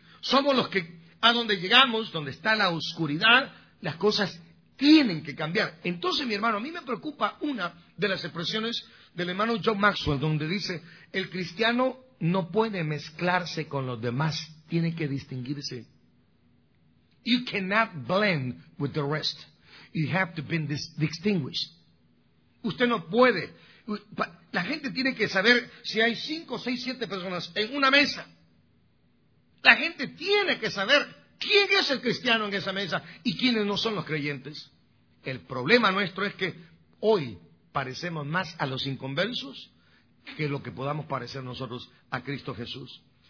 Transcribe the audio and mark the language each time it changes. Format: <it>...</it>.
<es>Somos los que, a donde llegamos, donde está la oscuridad, las cosas tienen que cambiar. Entonces, mi hermano, a mí me preocupa una de las expresiones del hermano John Maxwell, donde dice, el cristiano no puede mezclarse con los demás, tiene que distinguirse.</es> <en>You cannot blend with the rest. You have to be distinguished.</en> <es>Usted no puede. La gente tiene que saber si hay 5, 6, 7 personas en una mesa. La gente tiene que saber quién es el cristiano en esa mesa y quiénes no son los creyentes. El problema nuestro es que hoy parecemos más a los inconversos que lo que podamos parecer nosotros a Cristo Jesús.</es>